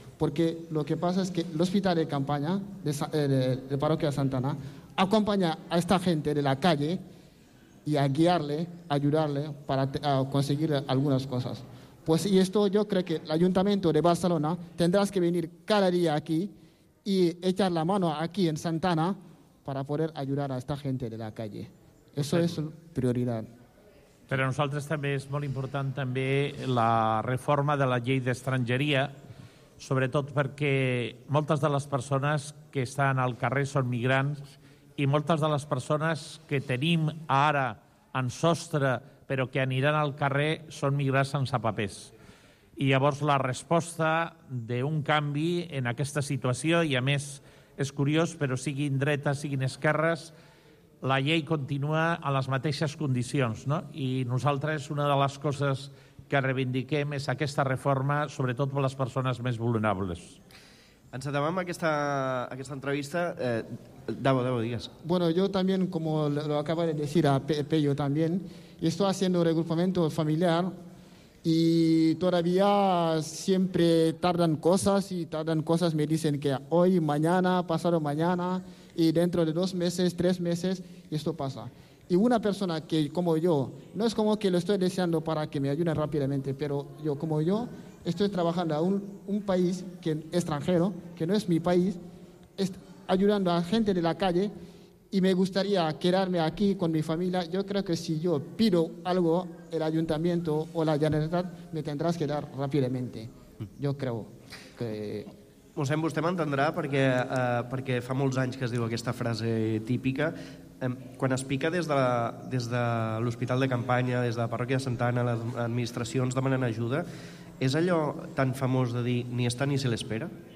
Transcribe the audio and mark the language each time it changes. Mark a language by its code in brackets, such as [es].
[es] Porque lo que pasa es que el hospital de campaña de Parroquia Santa Ana acompaña a esta gente de la calle y a guiarle, ayudarle para a conseguir algunas cosas. Pues y esto yo creo que el Ayuntamiento de Barcelona tendrás que venir cada día aquí y echar la mano aquí en Santa Ana para poder ayudar a esta gente de la calle. Eso es prioridad. [ca] Per a nosaltres també és molt important també la reforma de la llei d'estrangeria, sobretot perquè moltes de les persones que estan al carrer són migrants i moltes de les persones que tenim ara en sostre però que aniran al carrer són migrants sense papers. I llavors la resposta d'un canvi en aquesta situació i a més... És curiós, però siguin dretes, siguin esquerres, la llei continua en les mateixes condicions, no? I nosaltres una de les coses que reivindiquem és aquesta reforma, sobretot per les persones més vulnerables. Ens atabam aquesta entrevista. Davo, digues. [es] Bueno, yo también, como lo acaba de decir a Peyo también, estoy haciendo reagrupamiento familiar y todavía siempre tardan cosas, me dicen que hoy, mañana, pasado mañana, y dentro de 2 meses, 3 meses, esto pasa. Y una persona que, como yo, no es como que lo estoy deseando para que me ayuden rápidamente, pero yo, como yo, estoy trabajando a un país que, extranjero, que no es mi país, ayudando a gente de la calle, y me gustaría quedarme aquí con mi familia. Yo creo que si yo pido algo, el ayuntamiento o la Generalitat me tendrás que dar rápidamente. Yo creo que... [ca] Mossèn, vostè m'entendrà perquè, perquè fa molts anys que es diu aquesta frase típica. Quan es pica des de l'Hospital de Campanya, des de la parròquia de Santa Anna, les administracions demanen ajuda, és allò tan famós de dir ni està ni se l'espera?